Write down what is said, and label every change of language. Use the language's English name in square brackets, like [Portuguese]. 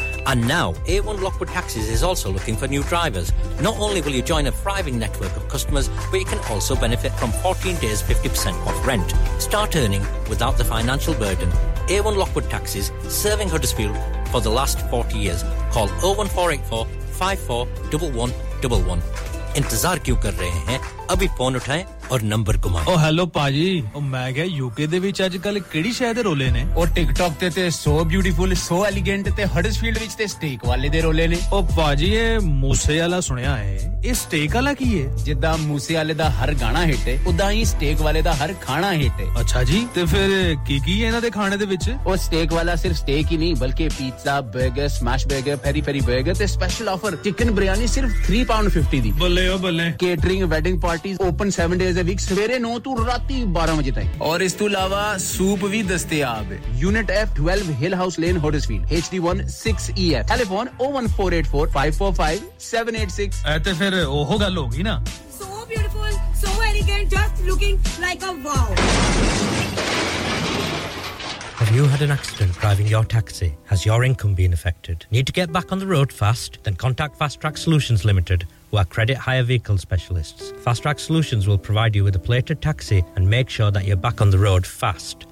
[English] And now, A1 Lockwood Taxis is also looking for new drivers. Not only will you join a thriving network of customers, but you can also benefit from 14 days 50% off rent. Start earning without the financial burden. A1 Lockwood Taxis, serving Huddersfield for the last 40 years. Call 01484 541111. [Hindi] ਇੰਤਜ਼ਾਰ ਕਿਉਂ ਕਰ ਰਹੇ ਹੈ ਅਭੀ phone ਉਠਾਏ ਔਰ number ਘੁਮਾਓ [Punjabi] ਓ hello ਪਾਜੀ ਓ ਮੈਂ ਕਿਹਾ ਯੂਕੇ ਦੇ ਵਿੱਚ ਅੱਜ ਕੱਲ ਕਿਹੜੀ ਸ਼ਹਿਰ ਦੇ ਰੋਲੇ ਨੇ ਓ ਟਿਕਟੋਕ ਤੇ [English] so beautiful so elegant [Punjabi] ਤੇ ਹਡਸਫੀਲਡ ਵਿੱਚ ਤੇ ਸਟੇਕ ਵਾਲੇ ਦੇ ਰੋਲੇ ਨੇ ਓ ਪਾਜੀ ਇਹ ਮੂਸੇ ਵਾਲਾ ਸੁਣਿਆ ਹੈ ਇਹ ਸਟੇਕ ਵਾਲਾ ਕੀ ਹੈ ਜਿੱਦਾਂ ਮੂਸੇ ਵਾਲੇ ਦਾ ਹਰ ਗਾਣਾ ਹਿੱਟ ਹੈ ਉਦਾਂ ਹੀ ਸਟੇਕ ਵਾਲੇ ਦਾ ਹਰ ਖਾਣਾ ਹਿੱਟ ਹੈ ਅੱਛਾ ਜੀ ਤੇ ਫਿਰ ਕੀ ਹੈ ਇਹਨਾਂ ਦੇ ਖਾਣੇ ਦੇ ਵਿੱਚ ਓ ਸਟੇਕ ਵਾਲਾ ਸਿਰਫ ਸਟੇਕ ਹੀ ਨਹੀਂ ਬਲਕਿ pizza burger smash burger ferry ferry burger ਤੇ ਸਪੈਸ਼ਲ ਆਫਰ ਚਿਕਨ ਬਰੀਆਨੀ ਸਿਰਫ £3.50 ਦੀ ਬੱਲੇ ਓ ਬੱਲੇ ਕੇਟਰਿੰਗ ਵੈਡਿੰਗ ਪਾਰਟੀਜ਼ [English] open 7 days a week [Punjabi] ਸਵੇਰੇ 9 ਤੋਂ ਰਾਤੀ 12 ਵਜੇ ਤੱਕ ਔਰ ਇਸ ਤੋਂ ਇਲਾਵਾ ਸੂਪ ਵੀ ਦਸਤਿਆਬ ਹੈ ਯੂਨਿਟ ਐਫ 12 ਹਿਲ house lane Huddersfield HD16EF telephone 01484-545-786 ਐ ਤੇ ਫਿਰ ਉਹ ਗੱਲ ਹੋ ਗਈ ਨਾ [English] So beautiful so elegant just looking like a wow Have you had an accident driving your taxi? Has your income been affected? Need to get back on the road fast? Then contact Fast Track Solutions Limited, who are credit hire vehicle specialists. Fast Track Solutions will provide you with a plated taxi and make sure that you're back on the road fast.